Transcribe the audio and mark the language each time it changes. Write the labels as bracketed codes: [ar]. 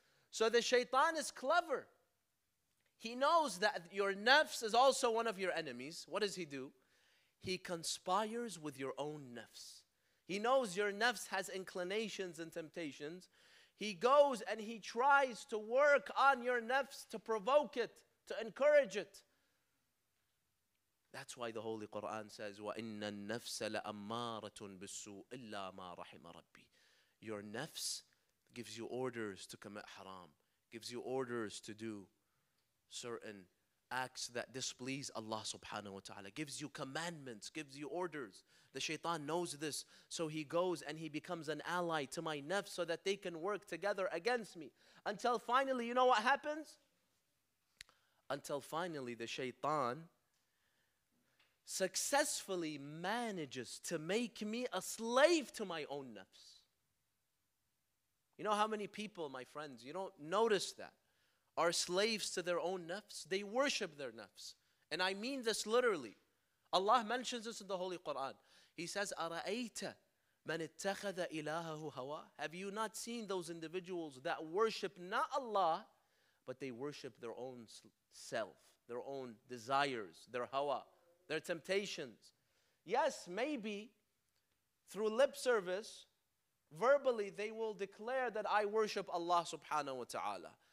[en] So the shaitan is clever. He knows that your nafs is also one of your enemies. What does he do? He conspires with your own nafs. He knows your nafs has inclinations and temptations. He goes and he tries to work on your nafs to provoke it, to encourage it. That's why the Holy Quran says, [ar] وَإِنَّ النَّفْسَ لَأَمَّارَةٌ بِالسُّوءِ إِلَّا مَا رَحِمَ رَبِّي. [en] Your nafs gives you orders to commit haram, gives you orders to do certain acts that displease Allah subhanahu wa ta'ala, gives you commandments, gives you orders. The shaitan knows this, so he goes and he becomes an ally to my nafs so that they can work together against me. Until finally, you know what happens? Until finally the shaitan successfully manages to make me a slave to my own nafs. You know how many people, my friends, you don't notice that, are slaves to their own nafs? They worship their nafs. And I mean this literally. Allah mentions this in the Holy Quran. He says, [ar] أَرَأَيْتَ مَنِ اتَّخَذَ إِلَاهَهُ هَوَى. [en] Have you not seen those individuals that worship not Allah, but they worship their own self, their own desires, their hawa, their temptations? Yes, maybe through lip service, verbally, they will declare that I worship Allah subhanahu wa ta'ala.